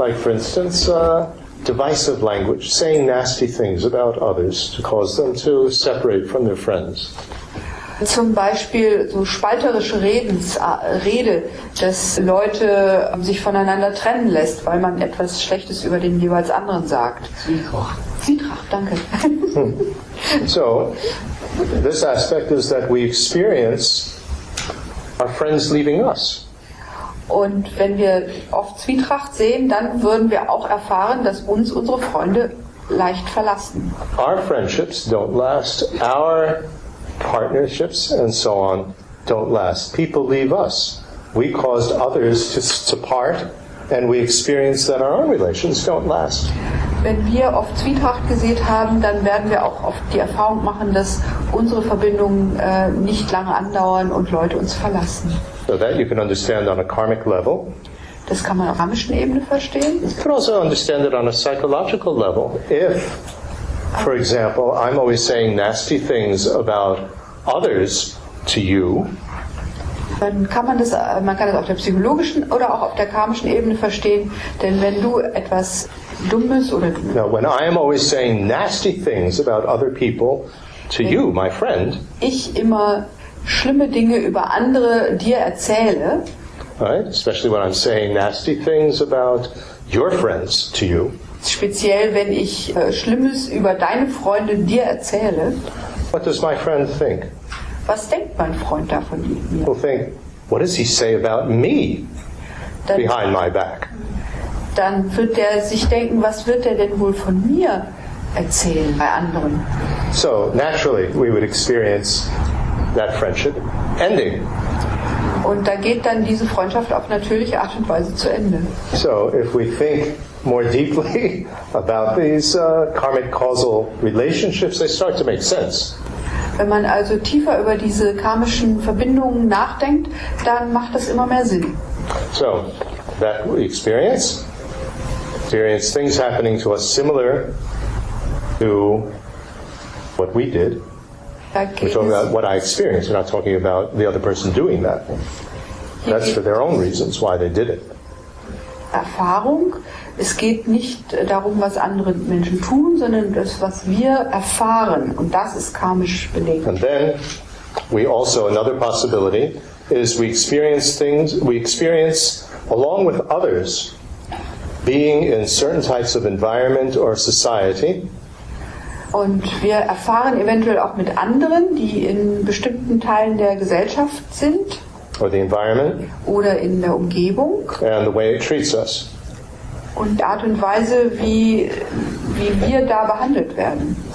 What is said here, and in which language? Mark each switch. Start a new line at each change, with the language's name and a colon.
English: Like for instance, divisive language, saying nasty things about others to cause them to separate from their friends.
German: Zum Beispiel so spalterische Rede, dass Leute sich voneinander trennen lässt, weil man etwas Schlechtes über den jeweils anderen sagt. Zwietracht, danke.
English: So, this aspect is that we experience our friends leaving us.
German: Und wenn wir oft Zwietracht sehen, dann würden wir auch erfahren, dass uns unsere Freunde leicht verlassen.
English: Our friendships don't last. Our partnerships and so on don't last. People leave us. We caused others to part, and we experience that our own relations don't last.
German: Wenn wir oft Zwietracht gesät haben, dann werden wir auch oft die Erfahrung machen, dass unsere Verbindungen nicht lange andauern und Leute uns verlassen.
English: So that you can understand on a karmic level.
German: Das kann man auf karmischen Ebene verstehen.
English: You can also understand it on a psychological level. If, for example, I'm always saying nasty things about others to you.
German: Dann kann man das, man kann das auf der psychologischen oder auch auf der karmischen Ebene verstehen, denn wenn du etwas Dummes oder
English: Now, when I am always saying nasty things about other people to you, my friend,
German: ich immer schlimme Dinge über andere dir erzähle,
English: right? Especially when I'm saying nasty things about your friends to you.
German: Speziell wenn ich Schlimmes über deine Freunde dir erzähle.
English: What does my friend think?
German: Was denkt mein Freund davon?
English: He'll think, what does he say about me
German: dann,
English: behind my back?
German: Dann wird er sich denken, was wird er denn wohl von mir erzählen bei anderen?
English: So naturally we would experience that friendship ending.
German: Und da geht dann diese Freundschaft auf natürliche Art und Weise zu Ende.
English: So if we think more deeply about these karmic causal relationships, they start to make sense.
German: Wenn man also tiefer über diese karmischen Verbindungen nachdenkt, dann macht das immer mehr Sinn.
English: So, that we experience things happening to us similar to what we did. We're talking about what I experienced. We're not talking about the other person doing that. That's for their own reasons why they did it.
German: Erfahrung. Es geht nicht darum, was andere Menschen tun, sondern das, was wir erfahren. Und das ist karmisch belegt.
English: And then, we also, another possibility, is we experience things, we experience, along with others, being in certain types of environment or society.
German: Und wir erfahren eventuell auch mit anderen, die in bestimmten Teilen der Gesellschaft sind.
English: Or the environment.
German: Oder in der Umgebung.
English: And the way it treats us.
German: Und die Art und Weise, wie wir da behandelt werden.